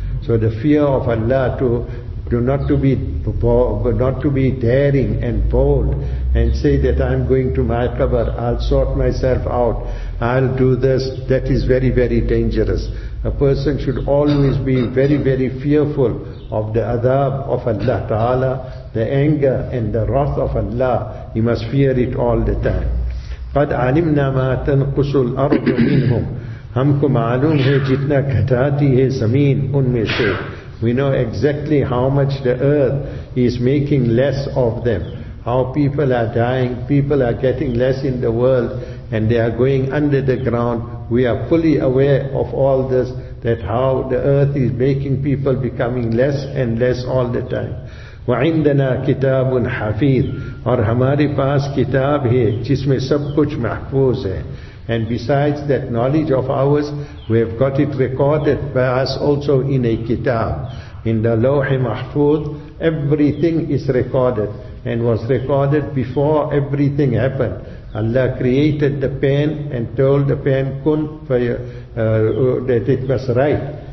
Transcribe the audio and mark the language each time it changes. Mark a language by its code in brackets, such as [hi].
[en] So the fear of Allah to not be daring and bold and say that I'm going to my qabr, I'll sort myself out, I'll do this, that is very, very dangerous. A person should always be very, very fearful of the adab of Allah Ta'ala, the anger and the wrath of Allah. He must fear it all the time. [ar] قَدْ عَلِمْنَا مَا تَنْقُسُ الْأَرْضُ مِنْهُمْ. [ur] ہم کو معلوم ہے جتنا گھٹاتی ہے زمین ان میں سے. [en] We know exactly how much the earth is making less of them. How people are dying, people are getting less in the world, and they are going under the ground. We are fully aware of all this, that how the earth is making people becoming less and less all the time. [ar] وَعِنْدَنَا كِتَابٌ حَفِيظٌ. [ur] اور ہماری پاس کتاب ہے جس میں سب کچھ محفوظ ہے. [en] And besides that knowledge of ours, we have got it recorded by us also in a kitab. In the Lawh-e Mahfooz, everything is recorded and was recorded before everything happened. Allah created the pen and told the pen kun that it was right.